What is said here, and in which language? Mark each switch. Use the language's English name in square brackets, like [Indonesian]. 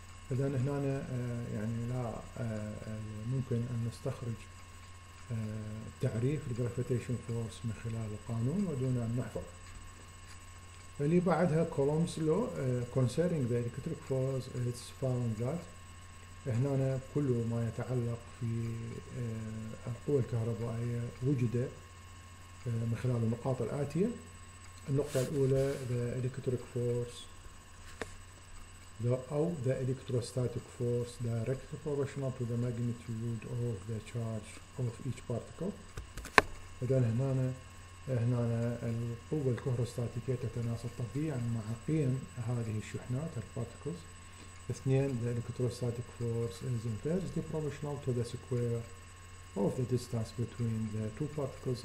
[Arabic] إذن هنا يعني لا ممكن أن نستخرج تعريف الجرافيتيشن فورس من خلال القانون ودون أن نحفظ. [English] اللي بعدها Coulomb's law concerning the electric force it's found that. [Arabic] هنا كل ما يتعلق في القوة الكهربائية وجد من خلال النقاط الآتية: النقطة الأولى [English] the electric force [Arabic] أو [English] the electrostatic force directly proportional to the magnitude of the charge of each particle. [Arabic] إذن هنا القوة الكهروستاتيكية تتناسب طبيعيا مع قيم هذه الشحنات الـ particles. [English] اثنين the electrostatic force is inversely proportional to the square of the distance between the two particles.